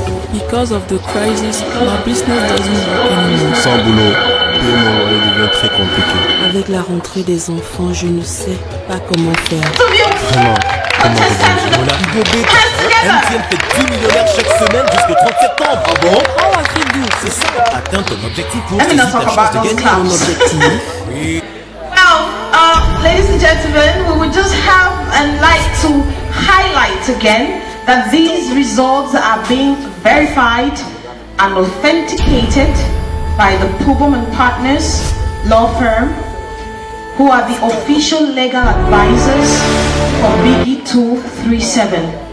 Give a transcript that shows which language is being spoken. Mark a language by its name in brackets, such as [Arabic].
[English] Because of the crisis, my business doesn't work anymore. [French] Sans boulot, paiement aurait devenu très compliqué. Avec la rentrée des enfants, je ne sais pas comment faire. Vraiment, comment faire? Voilà, bébé, MTN fait 10 millionnaires chaque semaine jusqu'au 30 septembre. Ah bon? Oh, c'est doux. C'est ça. Atteins ton objectif pour que tu aies de gagner ton objectif. Oui. [English] Now, ladies and gentlemen, we would just have and like to highlight again that these results are being verified and authenticated by the Pubom & Partners law firm, who are the official legal advisors for Biggy 237.